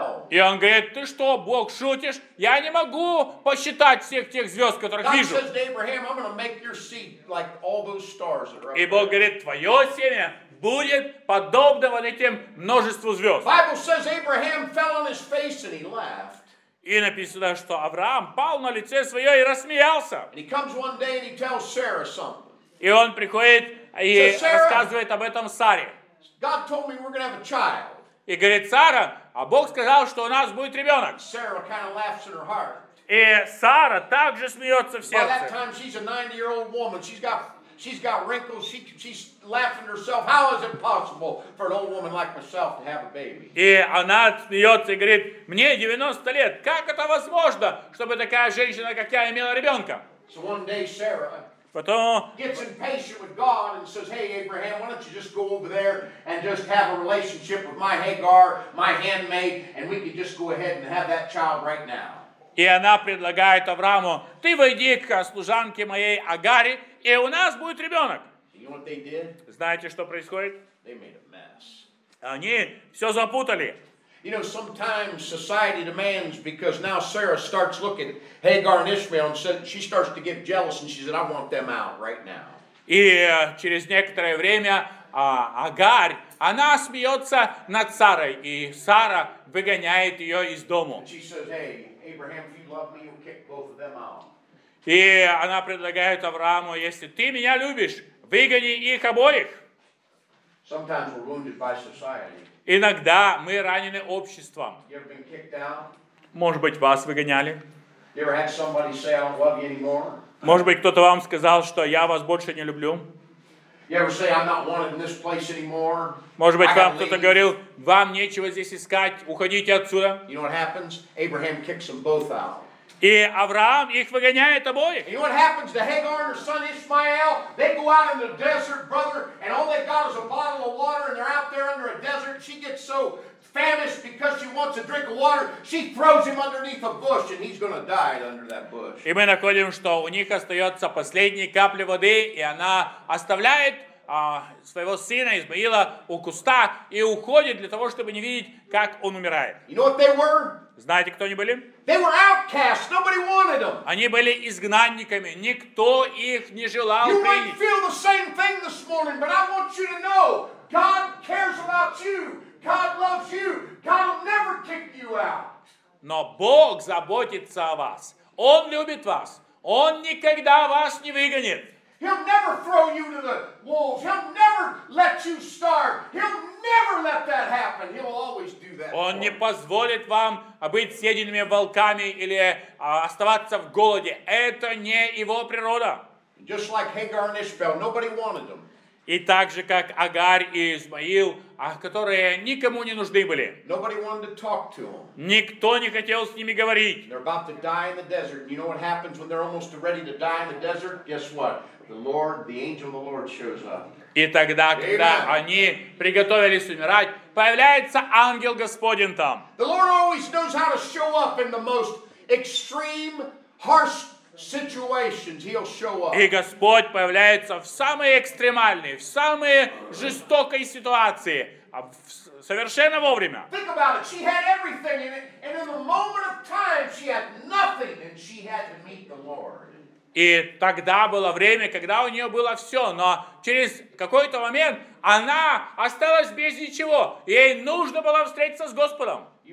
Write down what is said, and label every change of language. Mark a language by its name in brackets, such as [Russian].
[Russian] И он говорит, ты что, Бог, шутишь? Я не могу посчитать всех тех звезд, которых вижу. И Бог говорит, твое семя будет подобно вот этим множеству звезд. [English] Bible says Abraham fell on his face and he laughed. [Russian] И написано, что Авраам пал на лице свое и рассмеялся. [English] And he comes one day and he tells Sarah something. [Russian] И он приходит и [English] so Sarah, [Russian] рассказывает об этом Саре. [English] God told me we're gonna have a child. [Russian] И говорит, Сара, а Бог сказал, что у нас будет ребенок. [English] Sarah kind of laughs in her heart. [Russian] И Сара также смеется в сердце. [English] By that time she's a 90-year-old woman. She's got wrinkles. She's laughing herself. How is it possible for an old woman like myself to have a baby? [Russian] И она смеется и говорит, мне 90 лет. Как это возможно, чтобы такая женщина, как я, имела ребенка? [English] So one day Sarah [Russian] потом [English] gets impatient with God and says, hey, Abraham, why don't you just go over there and just have a relationship with my Hagar, my handmaid, and we can just go ahead and have that child right now. [Russian] И она предлагает Аврааму, ты войди к служанке моей Агаре, и у нас будет ребенок. [English] You know what they did? [Russian] Знаете, что происходит? [English] They made a mess. [Russian] Они все запутали. [English] You know, sometimes society demands, because now Sarah starts looking at Hagar and Ishmael and she starts to get jealous and she said, I want them out right now. [Russian] И через некоторое время Агарь, она смеется над Сарой, и Сара выгоняет ее из дому. [English] And she says, hey, Abraham, if you love me, you'll kick both of them out. [Russian] И она предлагает Аврааму, если ты меня любишь, выгони их обоих. [English] Sometimes we're wounded by society. [Russian] Иногда мы ранены обществом. [English] You ever been kicked out? [Russian] Может быть, вас выгоняли. [English] You ever had somebody say, I don't love you anymore? [Russian] Может быть, кто-то вам сказал, что я вас больше не люблю. [English] You ever say, I'm not wanted in this place anymore? [Russian] Может быть, вам кто-то говорил, вам нечего здесь искать, уходите отсюда. [English] You know what happens? Abraham kicks them both out. [Russian] И Авраам их выгоняет обоих. [English] And what happens to Hagar and her son Ishmael? They go out in the desert, brother, and all they got is a bottle of water, and they're out there under a desert. She gets so famished because she wants a drink of water, she throws him underneath a bush, and he's going to die under that bush. [Russian] И мы находим, что у них остается последние капли воды, и она оставляет своего сына Исмаила у куста и уходит для того, чтобы не видеть, как он умирает. [English] You know what they were? [Russian] Знаете, кто они были? [English] They were outcasts. Nobody wanted them. [Russian] Они были изгнанниками. Никто их не желал принять. [English] You might feel the same thing this morning, but I want you to know, God cares about you. God loves you. God will never kick you out. [Russian] Но Бог заботится о вас. Он любит вас. Он никогда вас не выгонит. [English] He'll never throw you to the wolves. He'll never let you starve. He'll never let that happen. He'll always do that. [Russian] Он не позволит вам быть съеденными волками или оставаться в голоде. Это не его природа. [English] Just like Hagar and Ishmael, nobody wanted them. [Russian] И так же, как Агарь и Измаил, которые никому не нужны были. [English] Nobody wanted to talk to them. [Russian] Никто не хотел с ними говорить. [English] They're about to die in the desert. You know what happens when they're almost ready to die in the desert? Guess what? The Lord, the angel of the Lord shows up. [Russian] И тогда, когда они приготовились умирать, появляется ангел Господень там. [English] The Lord always knows how to show up in the most extreme, harsh situations. He'll show up. [Russian] И Господь появляется в самые экстремальные, в самые жестокой ситуации, совершенно вовремя. [English] Think about it. She had everything in it, and in the moment of time, she had nothing, and she had to meet the Lord. [Russian] И тогда было время, когда у нее было все, но через какой-то момент она осталась без ничего. Ей нужно было встретиться с Господом.